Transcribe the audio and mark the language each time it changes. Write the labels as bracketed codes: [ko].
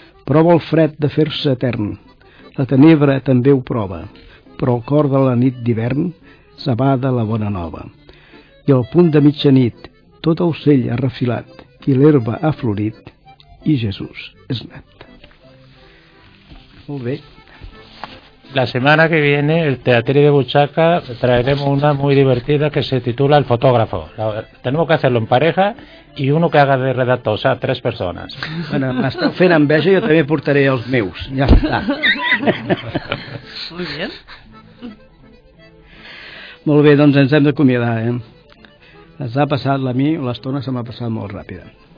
[ca] Prova el fred de fer-se etern, la tenebra també ho prova, però el cor de la nit d'hivern s'abada la bona nova. I al punt de mitjanit, tot ocell ha refilat i l'herba ha florit i Jesús és net. Molt bé. [es] La setmana que viene, el Teatre de Butxaca, traerem una muy divertida que se titula El fotógrafo. Tenemos que hacerlo en pareja y uno que haga de redactor, o sea, tres personas. [ca] Bueno, m'estàs fent enveja, jo també portaré els meus. Ja està. [es] Muy bien. [ca] Molt bé, doncs ens hem d'acomiadar, Ens ha passat la mi, l'estona se m'ha passat molt ràpida.